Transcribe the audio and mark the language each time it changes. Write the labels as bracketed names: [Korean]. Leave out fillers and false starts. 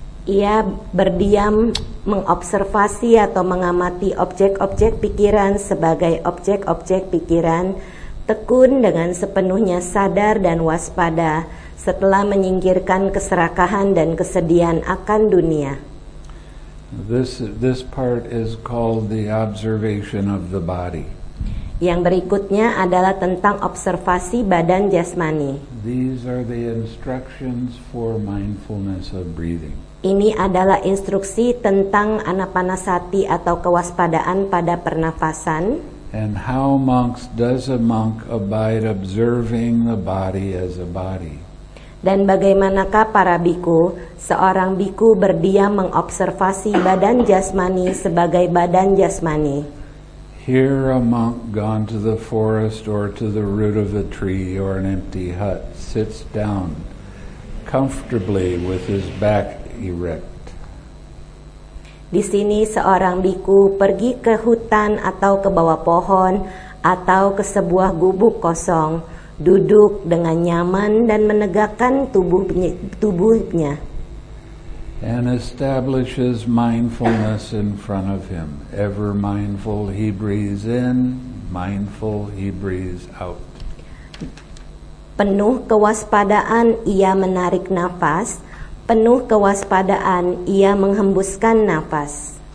[Indonesian] Ia berdiam mengobservasi atau mengamati objek-objek pikiran sebagai objek-objek pikiran, tekun dengan sepenuhnya sadar dan waspada, setelah menyingkirkan keserakahan dan kesedihan akan dunia. [English] This part is called the observation of the body. [Indonesian] Yang berikutnya adalah tentang observasi badan jasmani. [English] These are the instructions for mindfulness of breathing. [Indonesian] Ini adalah instruksi tentang anapanasati atau kewaspadaan pada pernafasan. [English] And how monks does a monk abide observing the body as a body? [Indonesian] Dan bagaimanakah para bhikkhu, seorang bhikkhu berdiam mengobservasi badan jasmani sebagai badan jasmani? [English] Here a monk gone to the forest or to the root of a tree or an empty hut sits down comfortably with his back erect. [Indonesian] Di sini seorang bhikkhu pergi ke hutan atau ke bawah pohon atau ke sebuah gubuk kosong, duduk dengan nyaman dan menegakkan tubuhnya. [English] And establishes mindfulness in front of him. Ever mindful, he breathes in, mindful, he breathes out. [Indonesian] Penuh kewaspadaan, ia menarik nafas. Penuh kewaspadaan, ia menghembuskan nafas.